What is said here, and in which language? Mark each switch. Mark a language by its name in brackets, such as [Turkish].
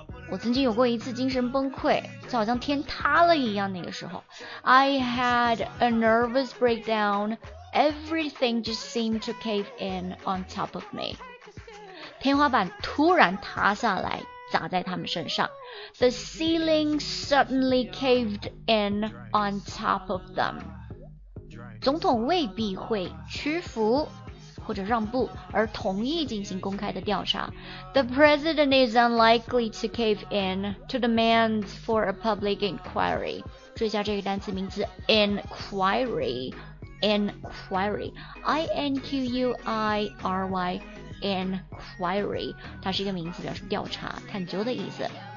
[Chinese] 我曾经有过一次精神崩溃，就好像天塌了一样，那个时候。 [English] I had a nervous breakdown. Everything just seemed to cave in on top of me. [Chinese] 天花板突然塌下来砸在他们身上。 [English] The ceiling suddenly caved in on top of them. [Chinese] 总统未必会屈服或者让步而同意进行公开的调查。 [English] The president is unlikely to cave in to demands for a public inquiry. [Chinese] 注意一下这个单词名字 inquiry, inquiry, I-N-Q-U-I-R-Y,Inquiry 它是一个名词，表示调查探究的意思。